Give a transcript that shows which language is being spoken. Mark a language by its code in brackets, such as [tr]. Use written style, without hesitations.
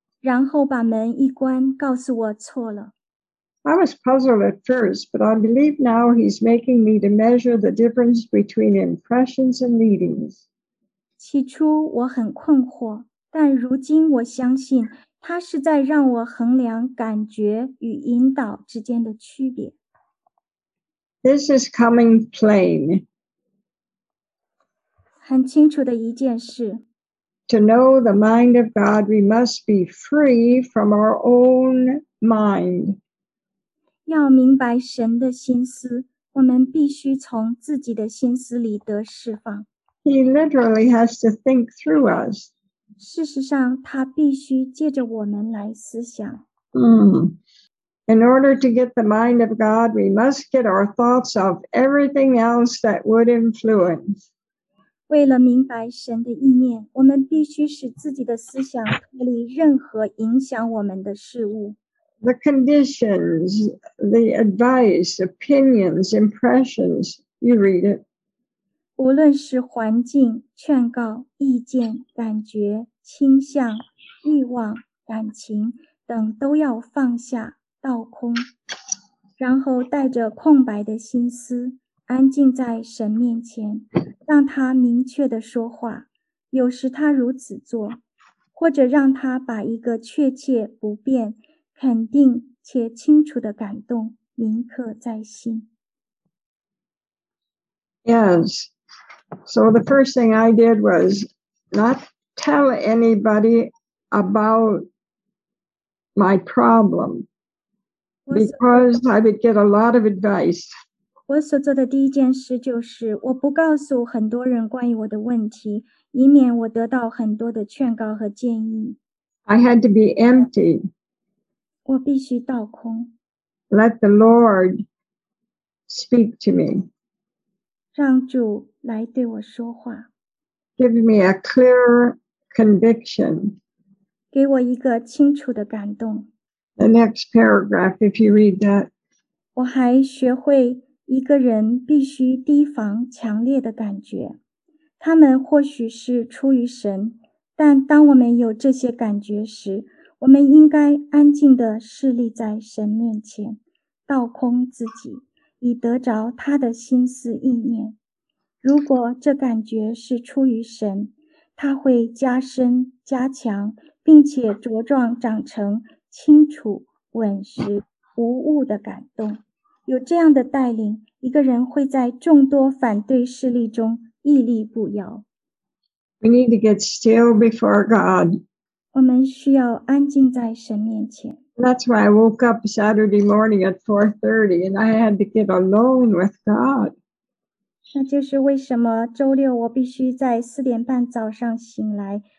[zh] 然后把门一关告诉我错了。 [en] I was puzzled at first, but I believe now he's making me to measure the difference between impressions and leadings. [zh] 起初我很困惑。但如今我相信他是在让我衡量感觉与引导之间的区别。 [en] This is coming plain. [zh] 很清楚的一件事。 [en] To know the mind of God, we must be free from our own mind. [zh] 要明白神的心思，我们必须从自己的心思里得释放。 [en] He literally has to think through us. [zh] 事实上他必须借着我们来思想。 [en] In order to get the mind of God, we must get our thoughts off everything else that would influence. [zh] 为了明白神的意念，我们必须使自己的思想脱离任何影响我们的事物。 [en] The conditions, the advice, opinions, impressions, you read it. [zh] 无论是环境、劝告、意见、感觉、倾向、欲望、感情等都要放下、倒空，然后带着空白的心思安静在神面前，让他明确地说话。有时他如此做，或者让他把一个确切不变、肯定且清楚的感动铭刻在心。 [en] Yes. So the first thing I did was not tell anybody about my problem because I would get a lot of advice. [zh] 我所做的第一件事就是我不告诉很多人关于我的问题，以免我得到很多的劝告和建议。 [en] I had to be empty. [zh] 我必须倒空。 [en] Let the Lord speak to me. [zh] 让主来对我说话。 [en] Give me a clear conviction. [zh] 给我一个清楚的感动。 [en] The next paragraph, if you read that. [zh] 我还学会一个人必须提防强烈的感觉。他们或许是出于神，但当我们有这些感觉时，我们应该安静地侍立在神面前，倒空自己。以得着他的心思意念。如果这感觉是出于神，他会加深加强，并且茁壮长成清楚稳实无误的感动，有这样的带领，一个人会在众多反对势力中屹立不摇。 [en] We need to get still before God. [zh] 我们需要安静在神面前。 [en] That's why I woke up Saturday morning at 4:30 and I had to get alone with God. [zh] 那就是为什么周六我必须在四点半早上醒来。